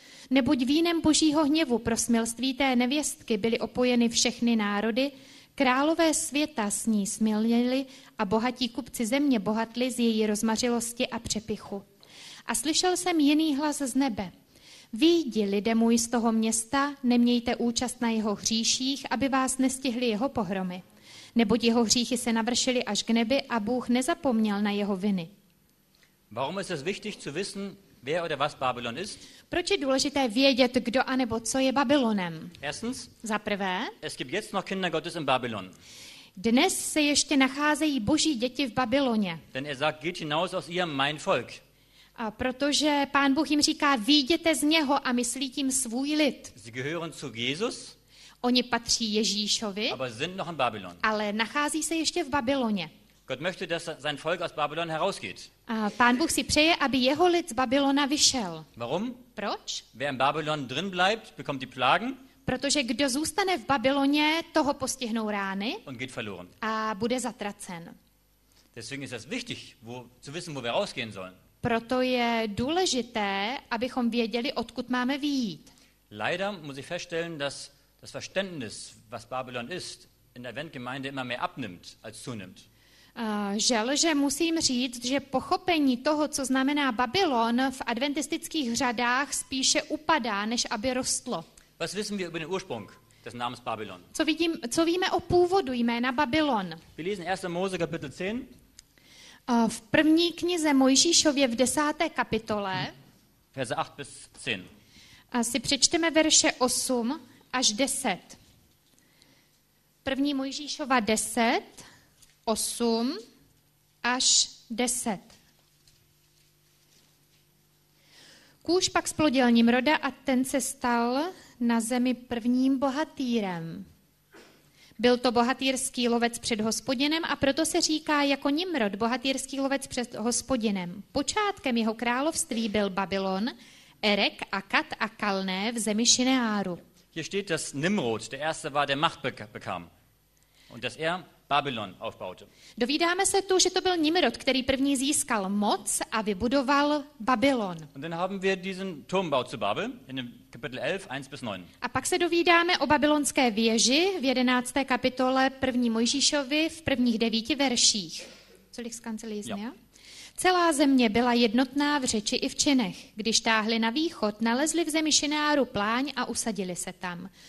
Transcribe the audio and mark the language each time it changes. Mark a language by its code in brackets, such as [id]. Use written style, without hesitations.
[cs] Neboť vínem božího hněvu pro smilství té nevěstky byly opojeny všechny národy, králové světa s ní smilnili a bohatí kupci země bohatli z její rozmařilosti a přepichu. A slyšel jsem jiný hlas z nebe. Vyjdi, lidé můj, z toho města, nemějte účast na jeho hříších, aby vás nestihly jeho pohromy. Neboť jeho hříchy se navršily až k nebi a Bůh nezapomněl na jeho viny. [de] Warum ist es wichtig zu wissen, wer oder was Babylon ist? [cs] Proč je důležité vědět, kdo a nebo co je Babylonem? [de] Erstens, [cs] za prvé, [de] es gibt jetzt noch Kinder Gottes in Babylon. [cs] Dnes se ještě nacházejí boží děti v Babyloně. [de] Denn er sagt, geht hinaus aus ihrem mein Volk. [cs] A protože Pán Bůh jim říká, vyjděte z něho a myslí tím svůj lid. [de] Sie gehören zu Jesus, [cs] oni patří Ježíšovi, [de] aber sind noch in Babylon. [cs] Ale nachází se ještě v Babyloně. [de] Gott möchte, dass sein Volk aus Babylon herausgeht. [cs] A Pán Bůh si přeje, aby jeho lid z Babylona vyšel. [de] Warum? [cs] Proč? [de] Wer in Babylon drin bleibt, bekommt die Plagen. [cs] Protože kdo zůstane v Babyloně, toho postihnou rány [de] und geht verloren. [cs] A bude zatracen. [de] Deswegen ist es wichtig, zu wissen, wo wir rausgehen sollen. [cs] Proto je důležité, abychom věděli, odkud máme vyjít. [de] Leider muss ich feststellen, dass das Verständnis, was Babylon ist, in der Eventgemeinde immer mehr abnimmt als zunimmt. [cs] Že musím říct, že pochopení toho, co znamená Babylon, v adventistických řadách spíše upadá, než aby rostlo. [de] Was wissen wir über den Ursprung des Namens Babylon? [cs] Co víme o původu jména Babylon? [de] Wir lesen 1. Mose Kapitel 10. [cs] V první knize Mojžíšově v 10. kapitole [de] verse 8 bis 10. [cs] Si přečteme verše 8 až 10. První Mojžíšova 10, 8 až 10. Kůš pak splodil Nimroda a ten se stal na zemi prvním bohatýrem. Byl to bohatýrský lovec před Hospodinem a proto se říká jako Nimrod, bohatýrský lovec před Hospodinem. Počátkem jeho království byl Babylon, Erek, Akkad a Kalné v zemi Šineáru. [de] Hier steht, dass Nimrod, der erste war, der Macht bekam. Und dass er Babylon aufbaute. [cs] Dovídáme se tu, že to byl Nimrod, který první získal moc a vybudoval Babylon. [de] Und dann haben wir diesen Turmbau zu Babel in dem Kapitel 11, 1 bis 9. [cs] A pak se dovídáme o babylonské věži v 11. kapitole 1. Mojžíšovi v prvních 9 verších. Celých z kancelizmu, jo? Celá země byla jednotná v řeči i v činech. Když táhli na východ, nalezli v zemi Šináru pláň a usadili se tam.